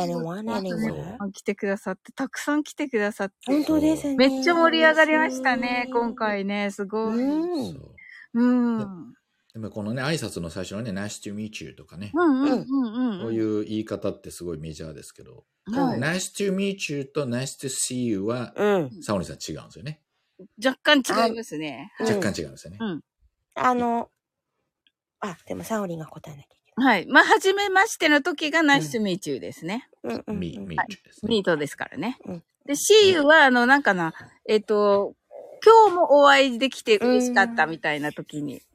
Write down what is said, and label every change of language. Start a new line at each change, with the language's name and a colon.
English: Anyone, anyone.
Japanese: 来てくださって、たくさん来てくださって。本当ですね。めっちゃ盛り上がりましたね、今回ね。すごい。 Mm. うん。でもこのね、挨拶の最初のね、
English: Nice to meet you
Japanese: とかね。うんうんうん、うん。こういう言い方ってすごいメジャーですけど。はい、
English: Nice to meet you
Japanese: と
English: Nice to see you
Japanese: は、うん、サオニさん違うんですよね。若干違いますね。はい、若干違うんですよね。うん、あの、あ、でもサオニが答えなきゃいけない。はい。まあ、初めましての時が
English: Nice to meet you
Japanese: ですね。うん、
English: meet
Japanese: です、ね。meet ですからね。うん、で、see you は、あの、なんかな、今日もお会いできて嬉しかったみたいな時に。